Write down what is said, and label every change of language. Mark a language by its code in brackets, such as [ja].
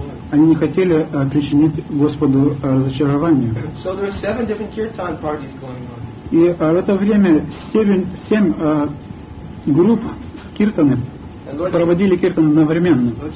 [ru] Они не хотели причинить Господу разочарование. [en] So there are seven different kirtan parties going on. [ru] И в это время семь групп с киртаны проводили киртан одновременно.